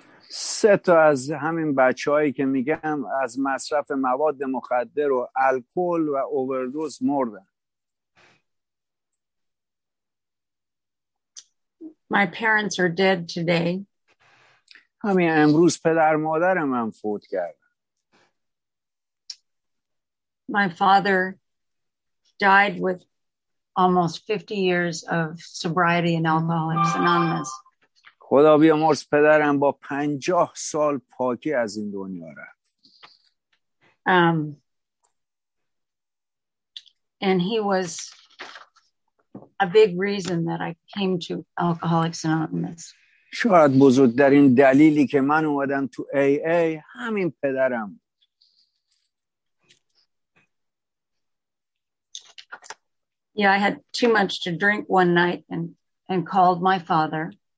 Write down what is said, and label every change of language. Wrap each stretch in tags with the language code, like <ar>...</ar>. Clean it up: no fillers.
<fa>3 تا از همین بچه‌هایی که میگم از مصرف مواد مخدر و الکل و اووردوز مردن.</fa> <en>My parents are dead today.</en> <fa>همین امروز پدر مادر من فوت کرد.</fa> <en>My father died with almost 50 years of sobriety and Alcoholics Anonymous.</en> <fa>خدا بیامرز پدرم با 50 سال پاکی از این دنیا رفت.</fa> <en>And he was a big reason that I came to Alcoholics Anonymous.</en> <fa>شاید بزرگترین دلیلی که من اومدم تو AA همین پدرم.</fa> <en>Yeah, I had too much to drink one night and called my father.</en>